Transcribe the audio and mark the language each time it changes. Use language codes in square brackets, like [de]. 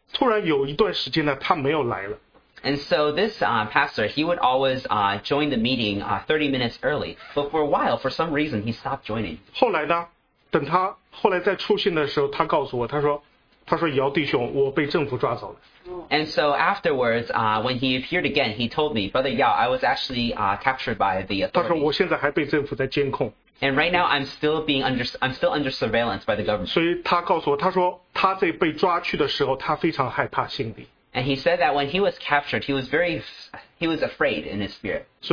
[zh] 他这个牧长呢，他很谦卑，每次来学习呢都提前半小时他就在了，但是呢，突然有一段时间呢他没有来了。 [en] And so this pastor, he would always join the meeting 30 minutes early, but for a while, for some reason, he stopped joining. [zh] 后来呢，等他后来再出现的时候，他告诉我，他说。他说姚弟兄，我被政府抓走了。 [en] And so afterwards, when he appeared again, he told me, Brother Yao, I was actually captured by the authorities. [zh] 他说我现在还被政府在监控。 [en] And right now, I'm still under surveillance by the government. [zh] 所以他告诉我，他说他在被抓去的时候，他非常害怕心里。 [en] And he said that when he was captured, he was afraid in his spirit.